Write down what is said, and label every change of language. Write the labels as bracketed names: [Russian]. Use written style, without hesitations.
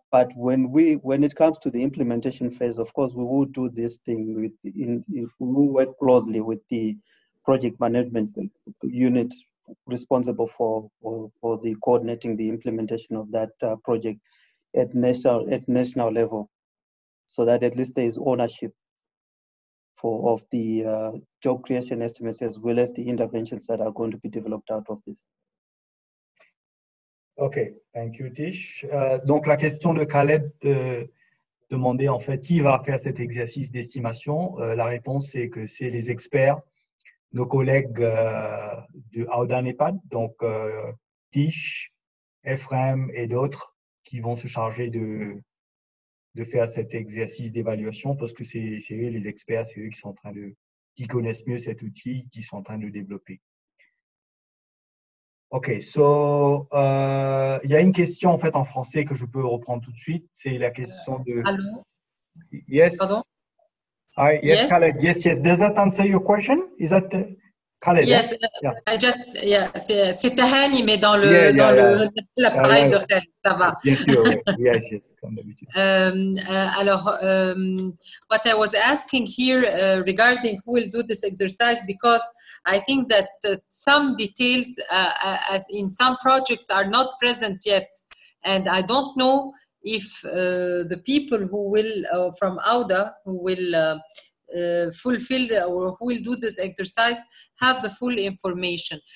[English] But when it comes to the implementation phase, of course, we will do this thing we will work closely with the project management unit responsible for the coordinating the implementation of that project at national level, so that at least there is ownership of the job creation estimates as well as the interventions that are going to be developed out of this. OK, thank you, Tish. [French] Donc, la question de Khaled demandait en fait qui va faire cet exercice d'estimation. La réponse est que c'est les experts, nos collègues de AUDA NEPAD, donc Tish, Ephraim et d'autres qui vont se charger de faire cet exercice d'évaluation parce que c'est les experts, c'est eux qui connaissent mieux cet outil, qui sont en train de développer. OK, so il y a une question en fait en français que je peux reprendre tout de suite, c'est la question de Allô? [English] Yes. [French] Pardon? [English] Hi, yes, Khaled. Yes. Does that answer your question? Is that Khaled? Yes. Yeah. [French] C'est Hani mais dans l'appareil de Khaled, ça va. [English] Yes, What I was asking here regarding who will do this exercise, because I think that some details as in some projects are not present yet, and I don't know if the people who will from AUDA who will fulfill or who will do this exercise have the full information.